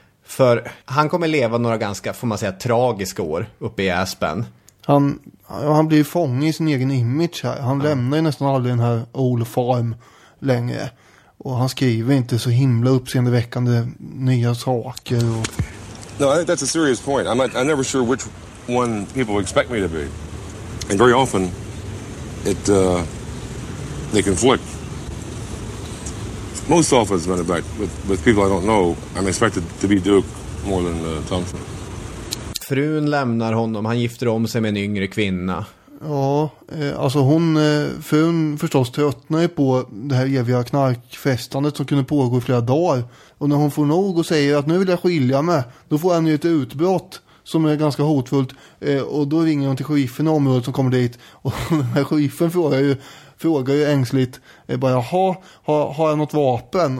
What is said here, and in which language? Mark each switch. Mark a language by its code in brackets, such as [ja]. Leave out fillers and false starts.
[sv] För han kommer leva några ganska, får man säga, tragiska år uppe i Aspen. Han blir ju fångad i sin egen image här. Han lämnar ju nästan aldrig den här old farm längre. Och han skriver inte så himla uppseendeväckande nya saker. Och... [en] No, I think that's a serious point. I'm never sure which one people expect me to be. And very often, they conflict. Most often, as a matter of fact, with people I don't know, I'm expected to be Duke more than Thompson. [sv] Frun lämnar honom. Han gifter om sig med en yngre kvinna. Ja, alltså hon, frun förstås tröttnar ju på det här eviga knarkfestandet som kunde pågå i flera dagar. Och när hon får nog och säger att nu vill jag skilja mig, då får han ju ett utbrott som är ganska hotfullt. Och då ringer hon till sheriffen i området som kommer dit. Och den här sheriffen frågar ju ängsligt, bara, har jag något vapen?